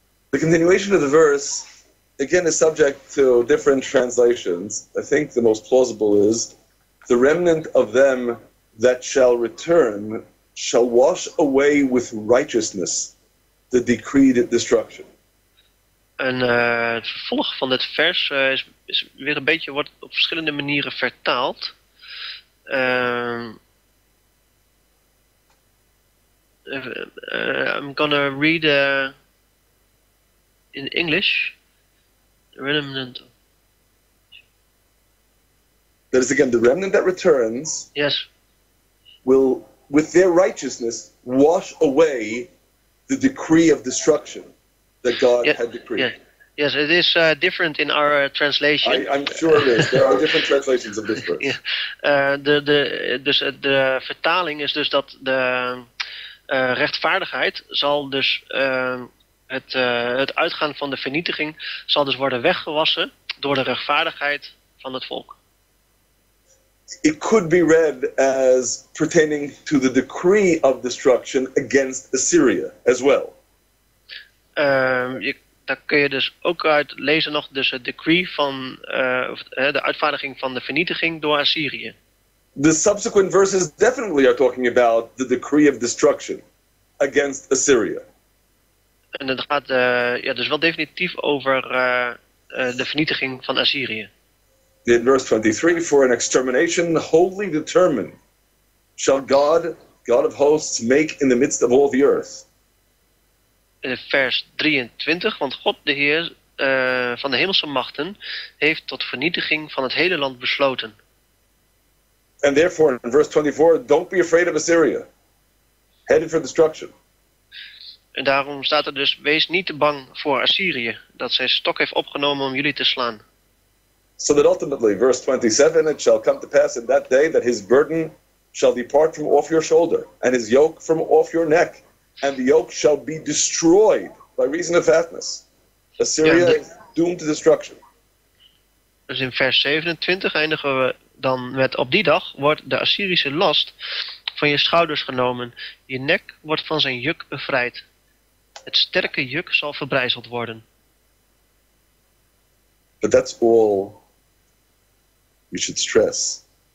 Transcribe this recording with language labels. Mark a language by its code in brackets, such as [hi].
[en] The continuation of the verse, again, is subject to different translations. I think the most plausible is, the remnant of them that shall return, shall wash away with righteousness the decreed destruction. [nl] En het vervolg van dit vers is weer een beetje wordt op verschillende manieren vertaald. [en] I'm gonna read in English. The remnant. That is again the remnant that returns. Yes. Will with their righteousness wash away the decree of destruction that God had decreed. Yeah. Yes, it is different in our translation. I'm sure it is. There are different translations of this verse. Yeah. [nl] De vertaling is dus dat de rechtvaardigheid zal dus het uitgaan van de vernietiging zal dus worden weggewassen door de rechtvaardigheid van het volk. [en] It could be read as pertaining to the decree of destruction against Assyria as well. [nl] Daar kun je dus ook uit lezen nog dus het decree van de uitvaardiging van de vernietiging door Assyrië. [en] The subsequent verses definitely are talking about the decree of destruction against Assyria. [nl] En het gaat dus wel definitief over de vernietiging van Assyrië. [en] In verse 23, for an extermination wholly determined shall God, God of hosts, make in the midst of all the earth. [nl] In vers 23, want God de Heer van de hemelse machten heeft tot vernietiging van het hele land besloten. [en] And therefore, in verse 24, don't be afraid of Assyria, headed for destruction. [nl] En daarom staat er dus, wees niet te bang voor Assyrië, dat zijn stok heeft opgenomen om jullie te slaan. [en] So that ultimately, verse 27, it shall come to pass in that day that his burden shall depart from off your shoulder, and his yoke from off your neck, and the yoke shall be destroyed by reason of fatness. Assyria is doomed to destruction. [nl] Dus in vers 27 eindigen we dan met: op die dag wordt de Assyrische last van je schouders genomen, je nek wordt van zijn juk bevrijd. Het sterke juk zal verbrijzeld worden. [en] But that's all you should stress.